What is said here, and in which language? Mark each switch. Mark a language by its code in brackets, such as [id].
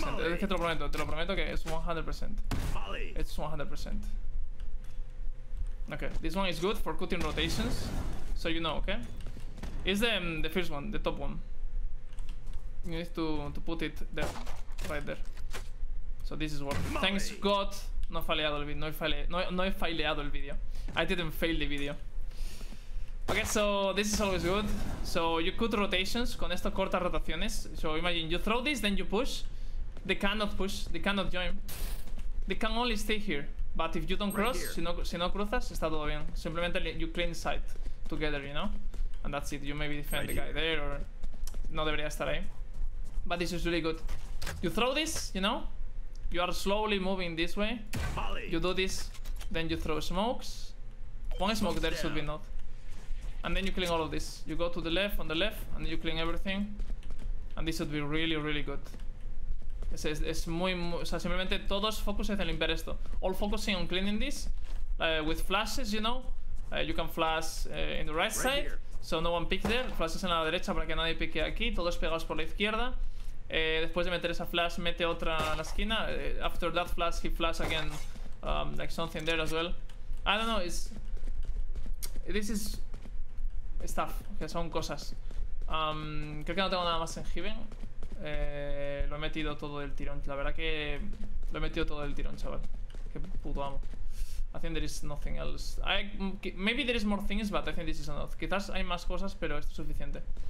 [es] Molly. Es que te lo prometo que es 100%. [en] Molly. It's 100%. Okay, this one is good for cutting rotations. So you know, okay? It's the first one, the top one. You need to put it there, right there. So this is working. Molly. Thanks God. [es] No he fileado el video. [en] I didn't fail the video. Okay, so this is always good. So you cut rotations. [es] Con esto cortas rotaciones. [en] So imagine you throw this, then you push. They cannot push. They cannot join. They can only stay here. But if you don't cross, right, [es] si no cruzas, está todo bien. Simplemente [en] you clean sight together, you know? And that's it. You maybe defend the guy here. There, or [es] no debería estar ahí. [en] But this is really good. You throw this, you know? You are slowly moving this way. Molly. You do this, then you throw smokes. One smoke there should be not. And then you clean all of this. You go to the left, on the left, and you clean everything. And this should be really, really good. [es] Es muy, muy, o sea, simplemente todos focuses en limpiar esto. [en] All focusing on cleaning this. With flashes, you know. You can flash in the right side. Here. So no one pick there. [es] Flashes en la derecha para que nadie pique aquí. Todos pegados por la izquierda. Después de meter esa flash, mete otra en la esquina. [en] After that flash, he flash again. Like something there as well. I don't know, it's... This is... [es] Stuff, que son cosas. Creo que no tengo nada más en Heaven. Lo he metido todo del tirón. La verdad que lo he metido todo del tirón, chaval. Qué puto amo. [en] I think there is nothing else. Maybe there is more things, but I think this is enough. [es] Quizás hay más cosas, pero esto es suficiente.